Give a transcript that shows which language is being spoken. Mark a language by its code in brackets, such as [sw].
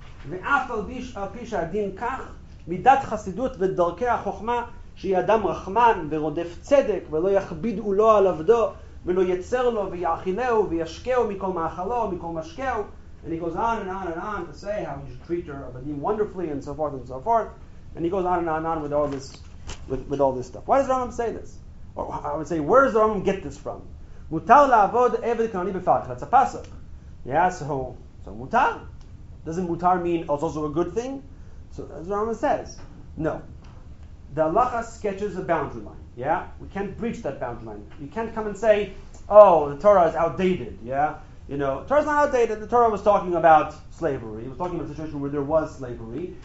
[he] ואף על פי שהדין כך, מידת חסידות ודרכי החוכמה, שהיא אדם רחמן ורודף צדק, ולא יכביד עולו על עבדו, ולא יצר לו ויאכילהו וישקהו מכל מאכלו, מכל משקהו. [en] And he goes on and on and on to say how you should treat your abadim wonderfully and so forth and so forth. And he goes on and on and on with all this with all this stuff. Why does Rambam say this? Or I would say, where does Rambam get this from? [he] מותר לעבוד עבד כנעני בפרח. [en] That's a pasuk. Yeah, so מותר. Doesn't mutar mean it's also a good thing? So as Rama says, no. The halacha sketches a boundary line, yeah? We can't breach that boundary line. You can't come and say, oh, the Torah is outdated, yeah? You know, the Torah's not outdated. The Torah was talking about slavery. It was talking about a situation where there was slavery.